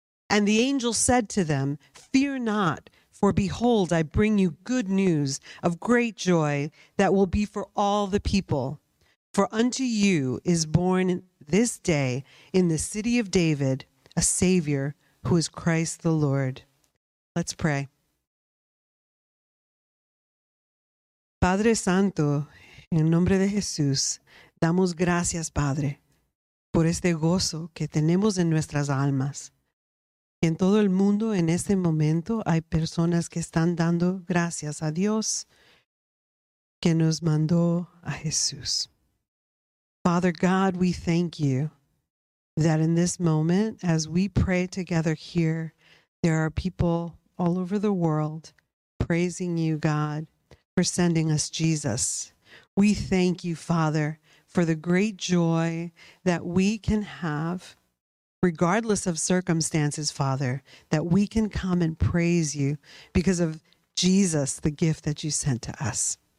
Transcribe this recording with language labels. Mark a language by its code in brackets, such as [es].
[en] And the angel said to them, "Fear not, for behold, I bring you good news of great joy that will be for all the people. For unto you is born this day in the city of David a Savior, who is Christ the Lord." Let's pray. [es] Padre Santo, en el nombre de Jesús, damos gracias, Padre, por este gozo que tenemos en nuestras almas. Y en todo el mundo, en este momento, hay personas que están dando gracias a Dios que nos mandó a Jesús. [en] Father God, we thank you that in this moment, as we pray together here, there are people all over the world praising you, God, for sending us Jesus. We thank you, Father, for the great joy that we can have, regardless of circumstances, Father, that we can come and praise you because of Jesus, the gift that you sent to us.